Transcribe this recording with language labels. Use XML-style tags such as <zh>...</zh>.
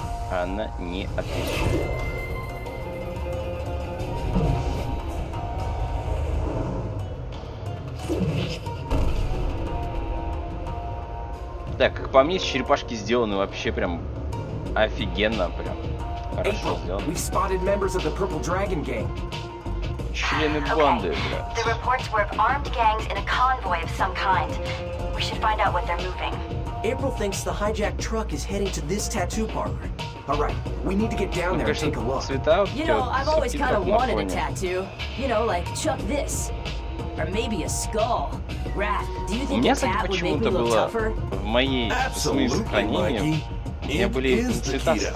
<ru>А она не отвечает. Так, как по мне, черепашки сделаны вообще прям офигенно, прям хорошо сделаны.</ru> <en>We've spotted members of the Purple Dragon Gang.</en> <ru>Члены банды, бля.</ru> <en>The reports were of armed gangs in a convoy of some kind. We should find out what they're moving. April thinks the hijacked truck is heading to this tattoo parlor. All right, we need to get down there and take a look. You know, I've always kind of wanted a tattoo. You know, like Chuck this, or maybe a skull.</en> <ru>У меня, кстати, почему-то было в моей сохранении, у меня были цветастые.</ru>